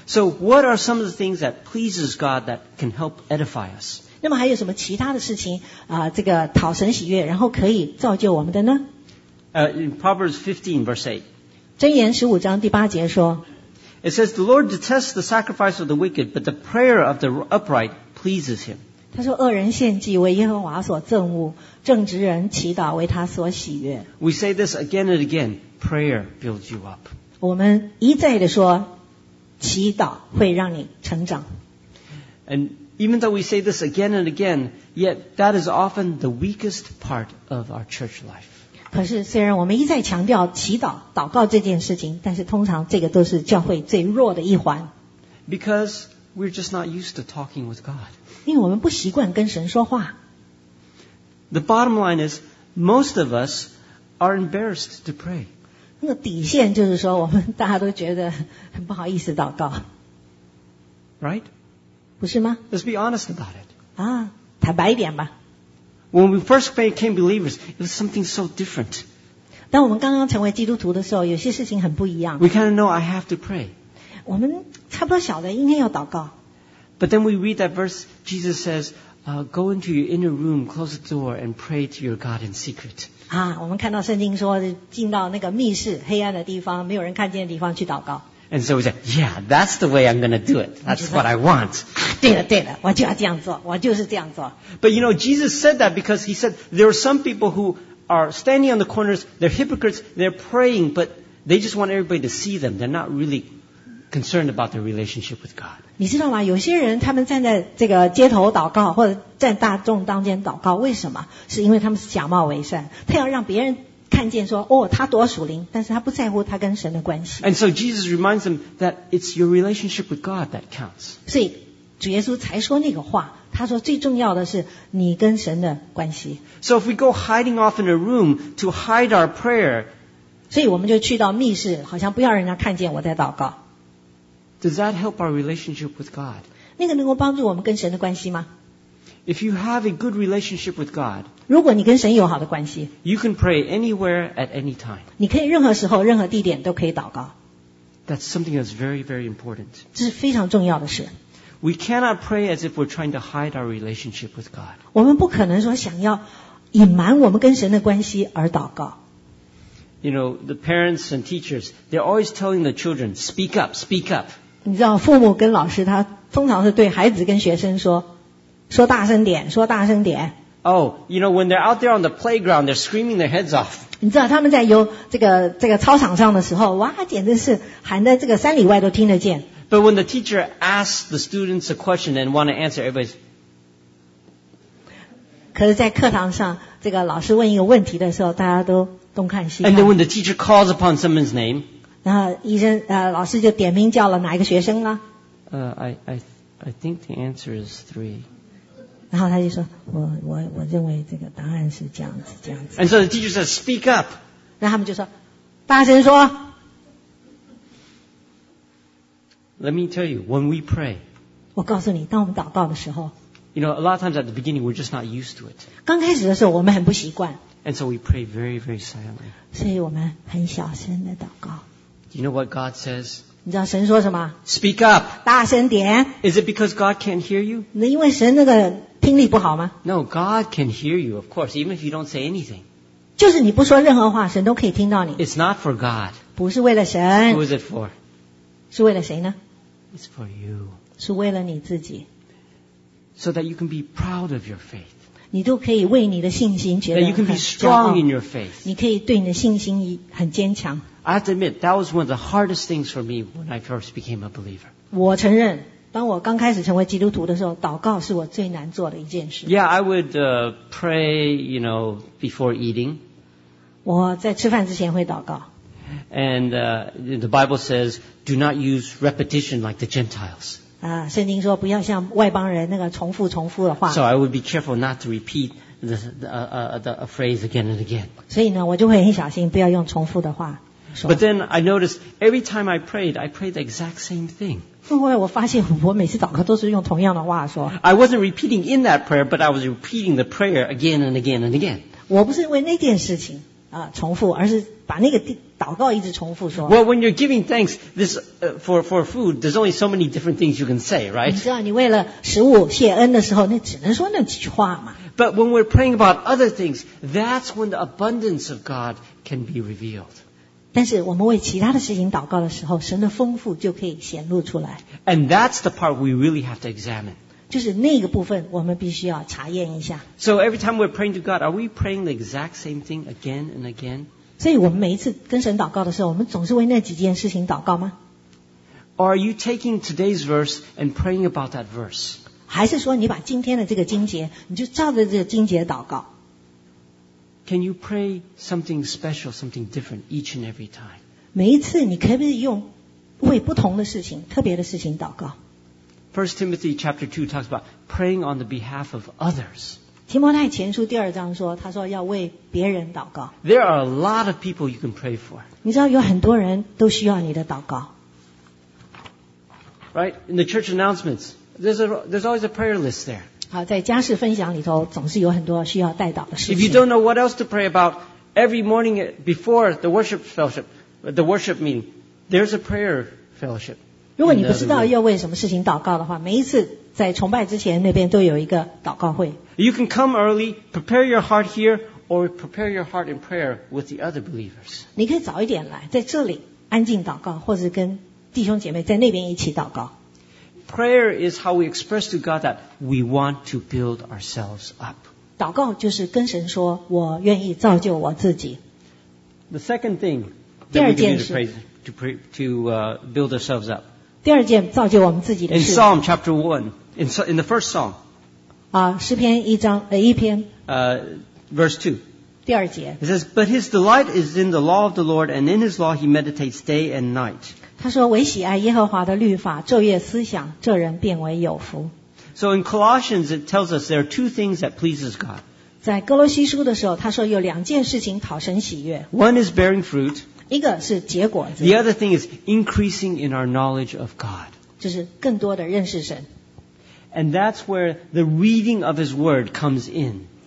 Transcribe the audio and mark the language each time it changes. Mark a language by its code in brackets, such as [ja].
[en] So what are some of the things that pleases God that can help edify us? [zh] 那么还有什么其他的事情这个讨神喜悦然后可以造就我们的呢 [en] In Proverbs 15 verse 8. [zh] 箴言十五章第八节说 [en] It says, The Lord detests the sacrifice of the wicked, but the prayer of the upright pleases him. [zh] 他说恶人献祭为耶和华所憎恶正直人祈祷为他所喜悦 [en] We say this again and again Prayer builds you up [zh] 我们一再地说祈祷会让你成长 [en] And even though we say this again and again Yet that is often the weakest part of our church life [zh] 可是虽然我们一再强调祈祷祷告这件事情但是通常这个都是教会最弱的一环 [en] Because we're just not used to talking with God [zh] 因为我们不习惯跟神说话。 [en] The bottom line is, most of us are embarrassed to pray. [zh] 那个底线就是说，我们大家都觉得很不好意思祷告。 [en] Right? [zh] 不是吗 [en] ？Let's be honest about it. [zh] 啊，坦白一点吧。 [en] When we first became believers, it was something so different. [zh] 当我们刚刚成为基督徒的时候，有些事情很不一样。 [en] We kind of know I have to pray. [zh] 我们差不多晓得应该要祷告。 [en] But then we read that verse, Jesus says, go into your inner room, close the door, and pray to your God in secret. [zh] 啊，我们看到圣经说，进到那个密室，黑暗的地方，没有人看见的地方去祷告。 [en] And so we said, yeah, that's the way I'm going to do it. That's what I want. [zh] 对了，对了，我就要这样做，我就是这样做。 [en] But you know, Jesus said that because he said, there are some people who are standing on the corners, they're hypocrites, they're praying, but they just want everybody to see them. They're not really concerned about their relationship with God. [zh] 你知道吗？有些人他们站在这个街头祷告，或者站大众当间祷告，为什么？是因为他们是假冒为善，他要让别人看见说，哦，他多属灵，但是他不在乎他跟神的关系。 [en] And so Jesus reminds them that it's your relationship with God that counts. [zh] 所以主耶稣才说那个话，他说最重要的是你跟神的关系。 [en] So if we go hiding off in a room to hide our prayer, [zh] 所以我们就去到密室，好像不要人家看见我在祷告。 [en] Does that help our relationship with God? [zh] 那个能够帮助我们跟神的关系吗 [en] If you have a good relationship with God, [zh] 如果你跟神有好的关系 [en] you can pray anywhere at any time. [zh] 你可以任何时候任何地点都可以祷告 [en] That's something that's very, very important. [zh] 这是非常重要的事 [en] We cannot pray as if we're trying to hide our relationship with God. [zh] 我们不可能说想要隐瞒我们跟神的关系而祷告 [en] You know, the parents and teachers, they're always telling the children, speak up, speak up. [zh] 你知道父母跟老师他通常是对孩子跟学生说说大声点说大声点。 [en] Oh, you know, when they're out there on the playground, they're screaming their heads off. [zh] 你知道他们在游这个操场上的时候哇简直是喊的这个三里外都听得见。 [en] But when the teacher asks the students a question and want to answer, everybody's... [zh] 可是在课堂上这个老师问一个问题的时候大家都东看西看 [en] And then when the teacher calls upon someone's name, [zh] 然后医生老师就点名叫了哪一个学生呢 [en] I think the answer is three. [zh] 然后他就说我认为这个答案是这样子这样子。 [en] And so the teacher says, speak up. [zh] 然后他们就说大声说。 [en] Let me tell you, when we pray, [zh] 我告诉你当我们祷告的时候 [en] you know, a lot of times at the beginning, we're just not used to it. [zh] 刚开始的时候我们很不习惯。 [en] And so we pray very, very silently. [zh] 所以我们很小声的祷告。 [en] Do you know what God says? [zh] 你知道神说什么 [en] Speak up! [zh] 大声点 [en] Is it because God can't hear you? [zh] 那因为神那个听力不好吗 [en] No, God can hear you, of course, even if you don't say anything. [zh] 就是你不说任何话，神都可以听到你。 [en] It's not for God. [zh] 不是为了神。 [en] Who is it for? [zh] 是为了谁呢？ [en] It's for you. [zh] 是为了你自己。 [en] So that you can be proud of your faith. [zh] 你都可以为你的信心觉得很骄傲。 [en] You can be strong in your faith. [zh] 你可以对你的信心很坚强。 [en] I have to admit, that was one of the hardest things for me when I first became a believer. [zh] 我承认，当我刚开始成为基督徒的时候，祷告是我最难做的一件事。 [en] Yeah, I would pray, you know, before eating. [zh] 我在吃饭之前会祷告。 [en] And the Bible says, do not use repetition like the Gentiles. [zh] 圣经说不要像外邦人那个重复重复的话。 [en] So I would be careful not to repeat the phrase again and again. [zh] 所以呢，我就会很小心，不要用重复的话。 [en] But then I noticed every time I prayed the exact same thing. [zh] 后来我发现我每次祷告都是用同样的话说。 [en] I wasn't repeating in that prayer, but I was repeating the prayer again and again and again. [zh] 我不是为那件事情重复，而是把那个祷告一直重复说。 [en] Well, when you're giving thanks this for food, there's only so many different things you can say, right? [zh] 你知道你为了食物谢恩的时候，那只能说那几句话嘛。 [en] But when we're praying about other things, that's when the abundance of God can be revealed. [zh] 但是我们为其他的事情祷告的时候，神的丰富就可以显露出来。 [en] And that's the part we really have to examine. [zh] 就是那个部分我们必须要查验一下。 [en] So every time we're praying to God, are we praying the exact same thing again and again? [zh] 所以我们每一次跟神祷告的时候，我们总是为那几件事情祷告吗？ [en] Or are you taking today's verse and praying about that verse? [zh] 还是说你把今天的这个经节，你就照着这个经节祷告？ [en] Can you pray something special, something different each and every time? [zh] 每一次你可不可以用为不同的事情、特别的事情祷告？ [en] 1 Timothy chapter 2 talks about praying on the behalf of others. [zh] 提摩太前书第二章说，他说要为别人祷告。 [en] There are a lot of people you can pray for. [zh] 你知道有很多人都需要你的祷告。 [en] Right? In the church announcements, there's always a prayer list there. [zh] 好，在家事分享里头，总是有很多需要代祷的事情。 [en] If you don't know what else to pray about, every morning before the worship fellowship, the worship meeting, there's a prayer fellowship. [zh] 如果你不知道要为什么事情祷告的话，每一次在崇拜之前，那边都有一个祷告会。 [en] You can come early, prepare your heart here, or prepare your heart in prayer with the other believers. [zh] 你可以早一点来，在这里安静祷告，或者跟弟兄姐妹在那边一起祷告。 [en] Prayer is how we express to God that we want to build ourselves up. [zh] 祷告就是跟神说，我愿意造就我自己。 [en] The second thing that we can do to build ourselves up. [zh] 第二件造就我们自己的事。 [en] In Psalm chapter 1, in the first Psalm. [zh] 诗篇一章一篇。 [en] Verse 2. [zh] 第二节。 [en] It says, But his delight is in the law of the Lord, and in his law he meditates day and night. [zh] 他说：“唯喜爱耶和华的律法，昼夜思想，这人变为有福。” [en] So in Colossians, it tells us there are two things that pleases God. [zh] 在哥罗西书的时候，他说有两件事情讨神喜悦。 [en] One is bearing fruit. [zh] 一个是结果子。 [en] The other thing is increasing in our knowledge of God. [zh] 就是更多的认识神。 [en] And that's where the reading of His Word comes in.